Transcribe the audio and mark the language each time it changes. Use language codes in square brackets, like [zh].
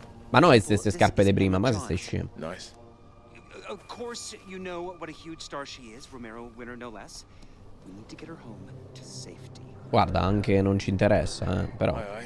[it] Ma no, è stesse scarpe di prima, ma se sei scemo. [en] Nice. Of course you know what a huge star she is, Romero winner no less. We need to get her home to safety. [it] Guarda, anche non ci interessa, però.